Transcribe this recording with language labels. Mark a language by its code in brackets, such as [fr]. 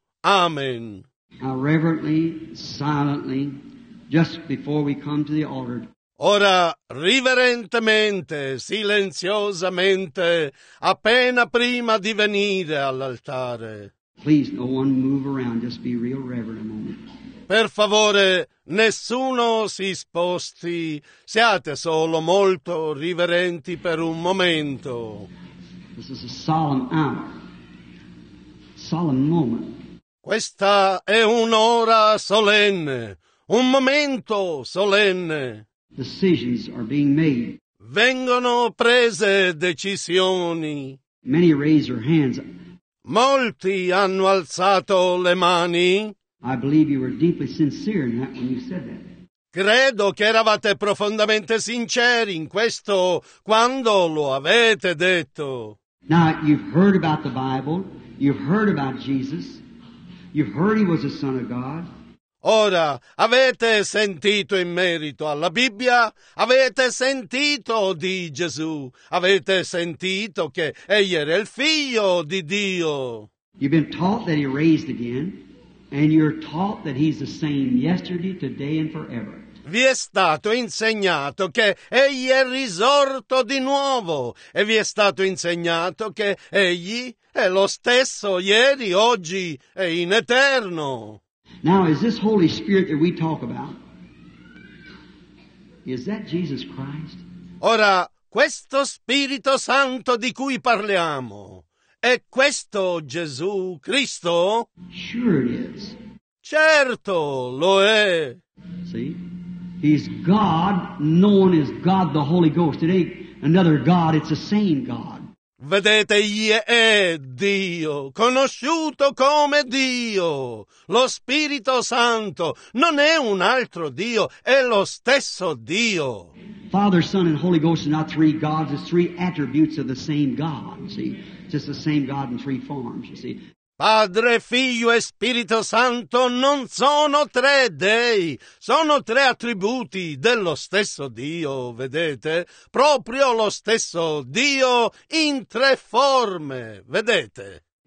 [en] Amen. Now reverently, silently, just before we come to the altar. [it] Ora, riverentemente, silenziosamente, appena prima di venire all'altare. [en] Please, no one move around, just be real reverent a moment. [it] Per favore, nessuno si sposti, siate solo molto riverenti per un momento. [en] This is a solemn hour, solemn moment. [it] Questa è un'ora solenne, un momento solenne. [en] Decisions are being made. [it] Vengono prese decisioni. [en] Many raise their hands. [it] Molti hanno alzato le mani. [en] I believe you were deeply sincere in that when you said that. [it] Credo che eravate profondamente sinceri in questo quando lo avete detto. [en] Now you've heard about the Bible, you've heard about Jesus, you've heard he was the Son of God. [it] Ora, avete sentito in merito alla Bibbia, avete sentito di Gesù, avete sentito che egli era il figlio di Dio. [en] You've been taught that he raised again, and you're taught that he's the same yesterday, today, and forever. [it] Vi è stato insegnato che egli è risorto di nuovo, e vi è stato insegnato che egli è lo stesso ieri, oggi e in eterno. [en] Now, is this Holy Spirit that we talk about, is that Jesus Christ? [it] Ora, questo Spirito Santo di cui parliamo, è questo Gesù Cristo? [en] Sure it is. [it] Certo, lo è. [en] See? He's God, known as God the Holy Ghost. It ain't another God, it's the same God. [it] Vedete, egli è Dio, conosciuto come Dio, lo Spirito Santo, non è un altro Dio, è lo stesso Dio. [en] Father, Son, and Holy Ghost are not three gods, it's three attributes of the same God, see? Just the same God in three forms, you see? [it] Padre, Figlio e Spirito Santo non sono tre dei, sono tre attributi dello stesso Dio, vedete? Proprio lo stesso Dio in tre forme, vedete?